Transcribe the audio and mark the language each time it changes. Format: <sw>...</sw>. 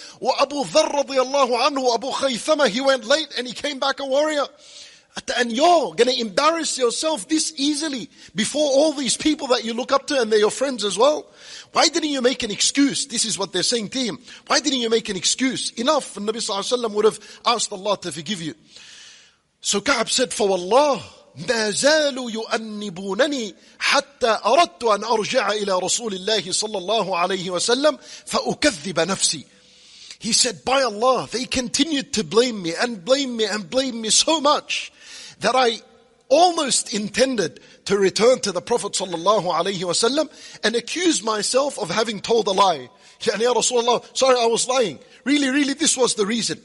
<en>Wa Abu Dharr radiallahu anhu, Abu Khaythama, he went late and he came back a warrior. And you're going to embarrass yourself this easily before all these people that you look up to, and they're your friends as well. Why didn't you make an excuse? This is what they're saying to him. Why didn't you make an excuse? Enough. And Nabi sallallahu alayhi wa sallam would have asked Allah to forgive you. So Ka'b said, for Allah,</en> <ar>ما زالوا يؤنبونني حتى أردت أن أرجع إلى رسول الله صلى الله عليه وسلم فأكذب نفسي.</ar> <en>He said, by Allah, they continued to blame me and blame me and blame me so much that I almost intended to return to the Prophet صلى الله عليه وسلم and accuse myself of having told a lie.</en> <ar>يعني يا رسول الله,</ar> <en>sorry, I was lying. Really, really, this was the reason.</en>